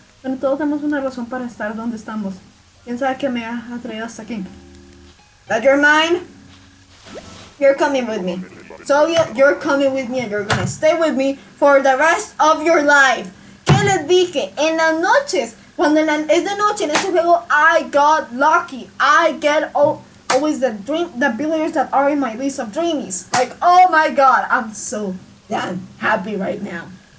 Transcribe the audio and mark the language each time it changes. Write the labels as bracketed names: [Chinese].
[Spanish] Bueno, todos tenemos una razón para estar donde estamos. ¿Quién sabe qué me ha traído hasta aquí? [English] That you're mine? You're coming with me. So you're coming with me and you're gonna stay with me for the rest of your life. [Spanish] ¿Qué les dije? En las noches. Cuando es de noche en este juego, [English] I got lucky. I get always the dream, the billionaires that are in my list of dreamies. Like, oh my god, I'm so damn happy right now.